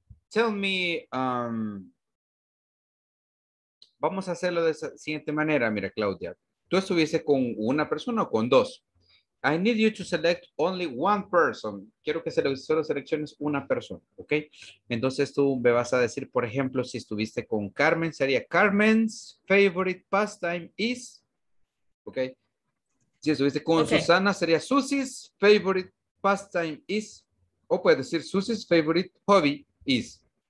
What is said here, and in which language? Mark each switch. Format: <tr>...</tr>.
<en>Tell me,</en> <es>vamos a hacerlo de la siguiente manera. Mira, Claudia, tú estuviese con una persona o con dos.</es> <en>I need you to select only one person.</en> <es>Quiero que solo selecciones una persona, ¿ok? Entonces tú me vas a decir, por ejemplo, si estuviste con Carmen, sería</es> <en>Carmen's favorite pastime is,</en> <es>¿ok? Si estuviste con Susana, sería</es> <en>Susie's favorite pastime is,</en> <es>o puedes decir</es> <en>Susie's favorite hobby is.</en>